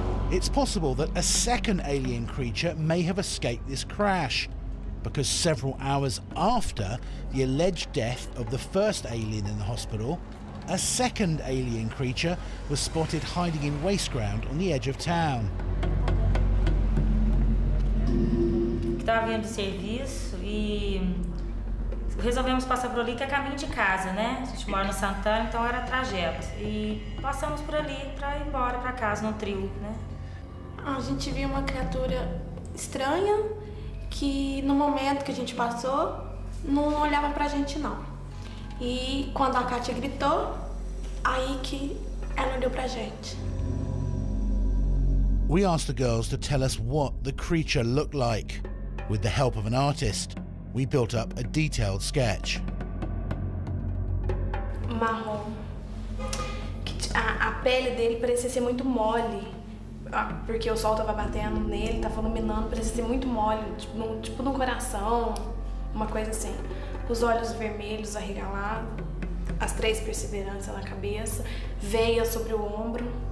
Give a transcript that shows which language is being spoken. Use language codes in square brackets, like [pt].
[en] It's possible that a second alien creature may have escaped this crash, because several hours after the alleged death of the first alien in the hospital, a second alien creature was spotted hiding in waste ground on the edge of town. [pt] Estava indo do serviço e resolvemos passar por ali, que é caminho de casa, né? A gente mora no Santana, então era trajeto. E passamos por ali para ir embora para casa no trio, né? A gente viu uma criatura estranha, que no momento que a gente passou, não olhava pra gente, não. E quando a Kátia gritou, aí que ela olhou pra gente. [en] We asked the girls to tell us what the creature looked like. With the help of an artist, we built up a detailed sketch. [pt] Marrom. A pele dele parecia ser muito mole, porque o sol tava batendo nele, tava iluminando, parecia ser muito mole, tipo num coração, uma coisa assim. Os olhos vermelhos arregalados, as três perseveranças na cabeça, veia sobre o ombro.